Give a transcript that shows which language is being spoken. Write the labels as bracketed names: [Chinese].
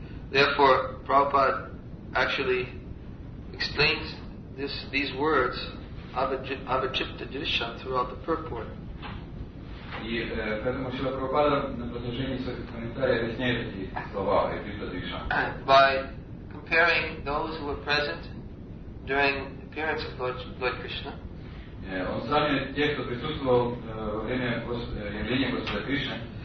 [English] Therefore, Prabhupada actually explains these words Avachitta Disha throughout the purport. [Russian] И поэтому Шрила Прабхупада на протяжении своих комментариев объясняет эти слова Avachitta Disha. [English] By comparing those who were present during the appearance of Lord Krishna. [Russian] Он сравнивает тех, кто присутствовал во время явления Господа Кришны,